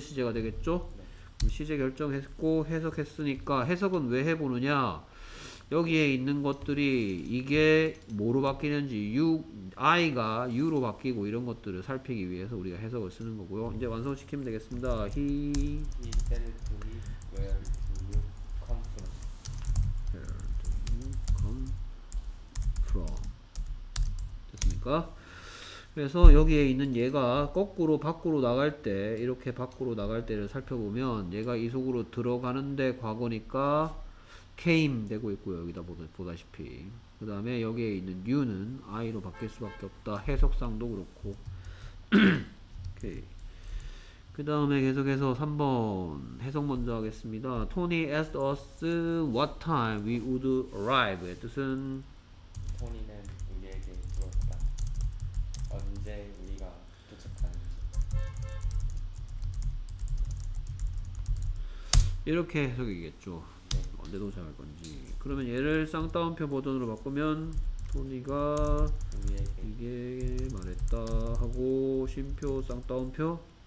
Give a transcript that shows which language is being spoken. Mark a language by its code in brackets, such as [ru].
[ko] 시제가 되겠죠? 시제 결정했고 해석했으니까 해석은 왜 해보느냐 여기에 있는 것들이 이게 뭐로 바뀌는지 U, I가 U로 바뀌고 이런 것들을 살피기 위해서 우리가 해석을 쓰는 거고요. 이제 완성시키면 되겠습니다. [en] He said to me where do you come from? Where do you come from? [ko] 됐습니까? 그래서 여기에 있는 얘가 거꾸로 밖으로 나갈 때 이렇게 밖으로 나갈 때를 살펴보면 얘가 이 속으로 들어가는데 과거니까 came 되고 있고요. 여기다 보다시피 그 다음에 여기에 있는 you는 I로 바뀔 수밖에 없다. 해석상도 그렇고 오케이. 그 다음에 계속해서 3번 해석 먼저 하겠습니다. [en] Tony asked us what time we would arrive. [ko] 뜻은 토니는 우리에게 물었다. 언제 우리가 도착하는지. 이렇게 해석이겠죠. 네. 언제 도착할 건지. 그러면 얘를 쌍따옴표 버전으로 바꾸면 토니가 우리에게 말했다 하고 쉼표 쌍따옴표